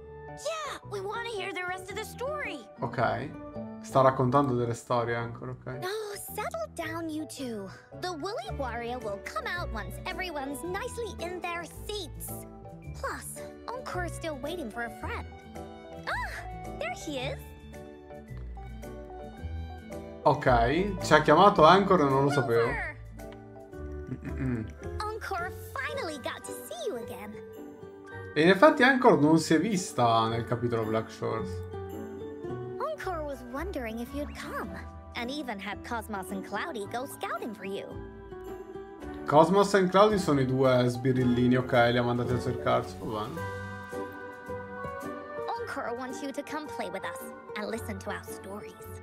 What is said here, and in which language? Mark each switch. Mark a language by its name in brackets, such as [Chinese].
[English] Yeah, we want to hear the rest of the story. Ok. [Italian] Sta raccontando delle storie ancora, ok. [English] Oh, settle down, you two. The Woolly Warrior will come out once everyone's nicely in their seats. Plus, Encore is still waiting for a friend. Ah, there he is. [Italian] Ok, ci ha chiamato Anchor e non lo sapevo. [English] Encore finally got to see you again. [Italian] E in effetti Anchor non si è vista nel capitolo Black Shores. [English] Encore was wondering if you'd come, and even had Cosmos and Cloudy go scouting for you. [Italian] Cosmos and Cloudy sono i due sbirillini, ok, li ha mandati a cercarsi, va bene. [English] Encore wants you to come play with us and listen to our stories.